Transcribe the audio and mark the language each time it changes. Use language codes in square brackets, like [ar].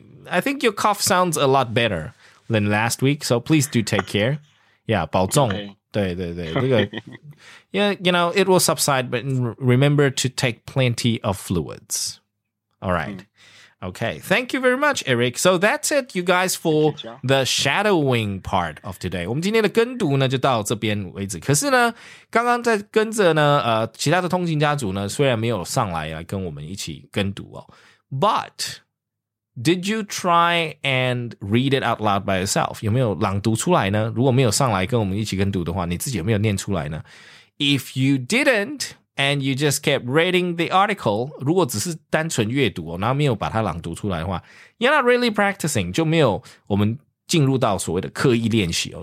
[en] I think your cough sounds a lot better than last week, so please do take care. Yeah, [zh] 保重。对对对，这个 [en] yeah, you know, it will subside, but remember to take plenty of fluids. All right. Okay, thank you very much, Eric. So that's it, you guys, for the shadowing part of today. [zh] 我们今天的跟读呢就到这边为止。可是呢，刚刚在跟着呢，其他的通勤家族呢，虽然没有上来跟我们一起跟读哦 ，but... [en] Did you try and read it out loud by yourself? [zh] 有没有朗读出来呢？如果没有上来跟我们一起跟读的话，你自己有没有念出来呢？ [en] If you didn't, and you just kept reading the article, [zh] 如果只是单纯阅读，然后没有把它朗读出来的话， [en] you're not really practicing, [zh] 就没有我们进入到所谓的刻意练习哦。